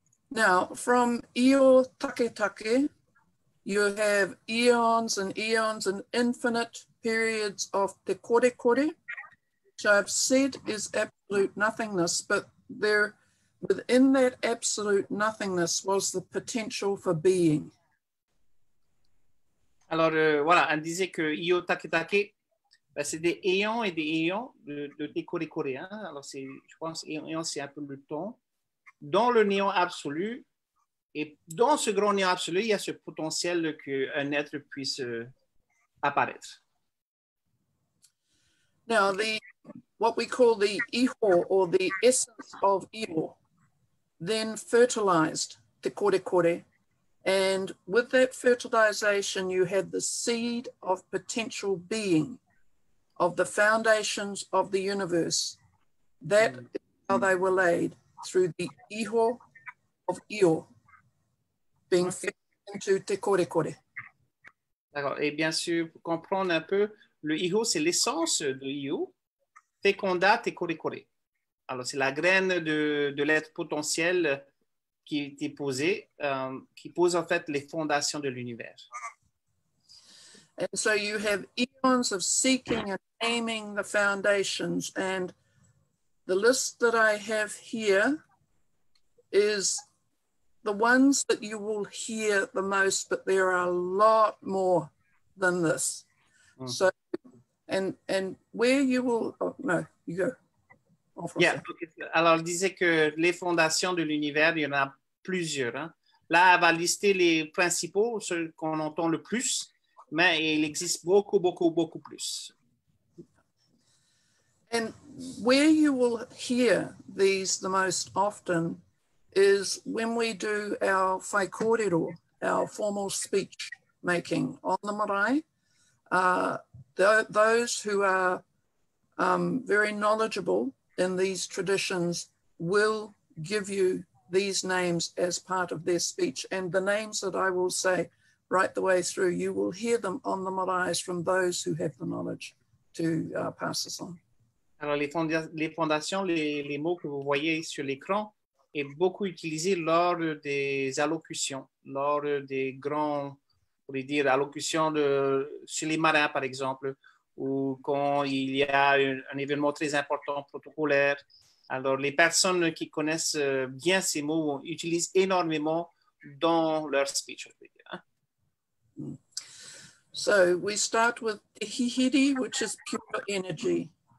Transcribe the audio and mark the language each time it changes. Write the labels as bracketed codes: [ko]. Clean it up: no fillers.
[en] Now, from Iyo Taketake, you have eons and eons and infinite periods of te kore kore, which I've said is absolute nothingness, but there, within that absolute nothingness, was the potential for being. [fr] Alors, voilà, elle disait que Iyo Taketake, ben, c'est des éons et des éons de te kore kore. Hein? Alors, c'est, je pense, éons, c'est un peu le temps. Dans le néant absolu, et dans ce grand néant absolu, il y a ce potentiel qu'un être puisse apparaître. [en] Now, what we call the iho, or the essence of iho, then fertilized te kore kore. And with that fertilization, you had the seed of potential being, of the foundations of the universe. That is how they were laid, through the iho of iho, being fed into te kore kore. [fr] D'accord. Et bien sûr, pour comprendre un peu, le iho, c'est l'essence de iho. Féconda te kore kore. Alors, c'est la graine de l'être potentiel qui était posée, qui pose en fait les fondations de l'univers. [en] And so you have eons of seeking and aiming the foundations. And the list that I have here is the ones that you will hear the most, but there are a lot more than this. Mm. So, and where you will, oh, no, you go. Yeah. [fr] Alors, il disait que les fondations de l'univers, il y en a plusieurs. Hein. Là, elle va lister les principaux, ceux qu'on entend le plus, mais il existe beaucoup, beaucoup, beaucoup plus. [en] And where you will hear these the most often is when we do our whai kōrero, our formal speech making on the marae. Those who are very knowledgeable in these traditions will give you these names as part of their speech. And the names that I will say right the way through, you will hear them on the marae from those who have the knowledge to pass this on. [fr] Alors, les fondations, les mots que vous voyez sur l'écran est beaucoup utilisé lors des allocutions, lors des grands, pour dire, allocutions sur les marins, par exemple, ou quand il y a un événement très important protocolaire. Alors, les personnes qui connaissent bien ces mots utilisent énormément dans leur speech. [en] So, we start with the hihiri, which is pure energy.